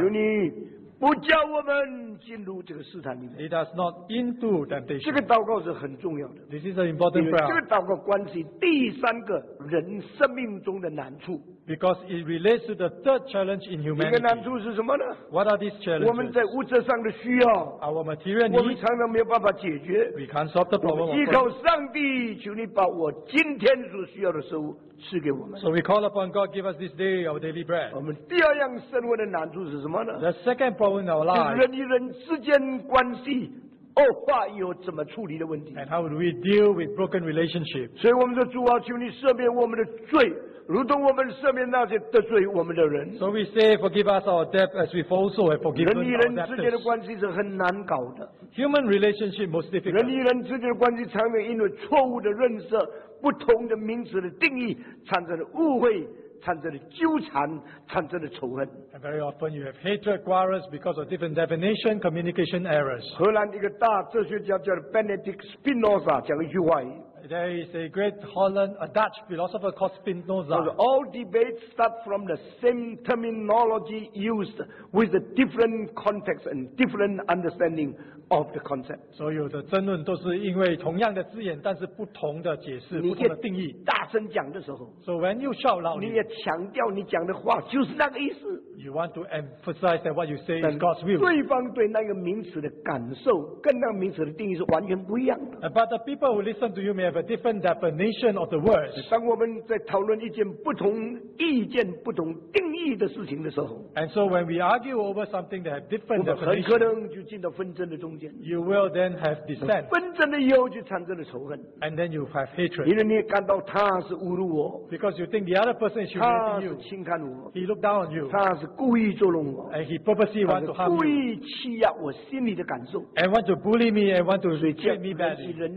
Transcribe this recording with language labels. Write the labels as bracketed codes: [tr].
[zh] 有你不叫我们进入这个试探里面, [en] lead us not into temptation. [zh] 这个祷告是很重要的, [en] this is an important prayer. [zh] 这个祷告关系第三个人生命中的难处, [en] because it relates to the third challenge in humanity. [zh] 一个难处是什么呢? [en] What are these challenges? [zh] 我们在物质上的需要, [en] our material needs, [zh] 我们常常没有办法解决, [en] we can't solve the problem. [zh] 依靠上帝, 求你把我今天所需要的食物赐给我们, [en] so we call upon God, give us this day our daily bread. [zh] 我们第二样生活的难处是什么呢? [en] The second problem in our life, [zh] 人与人之间关系, 恶化有怎么处理的问题, [en] and how do we deal with broken relationships? [zh] 所以我们说主啊, 求你赦免我们的罪, 如同我们赦免那些得罪我们的人, [en] so we say, forgive us our debt as we also have forgiven our debtors. [zh] 人与人之间的关系是很难搞的, [en] human relationship most difficult. [zh] 人与人之间的关系常常因为错误的认识, 不同的名词的定义, 产生了误会, 产生了纠缠, 产生了仇恨, [en] and very often you have hatred, quarrels because of different definition, communication errors. [zh] 荷兰一个大哲学家叫 Benedict Spinoza 讲了一句话, [en] there is a great Holland, a Dutch philosopher called Spinoza. All debates start from the same terminology used with a different context and different understanding of the concept. [zh] 所有的争论都是因为同样的字眼但是不同的解释不同的定义, 你也大声讲的时候, [en] so when you shout loudly, [zh] 你也强调你讲的话就是那个意思, [en] You want to emphasize that what you say is God's will. [zh] 对方对那个名词的感受, 跟那个名词的定义是完全不一样的。 [en] But the people who listen to you may have a different definition of the words. [zh] 当我们在讨论一件不同意见、不同定义的事情的时候, [en] And so when we argue over something that has different definition, [zh] 我们很可能就进到纷争的中间。 [en] You will then have dissent. [zh] 纷争的以后就产生了仇恨。 [en] And then you have hatred. [zh] 因为你感到他是侮辱我。 [en] Because you think the other person is humiliating you. [zh] 他是轻看我。 [en] He looked down on you. [zh] 他是故意捉弄我, [en] and he purposely wants to harm you. And wants to bully me and wants to treat me badly.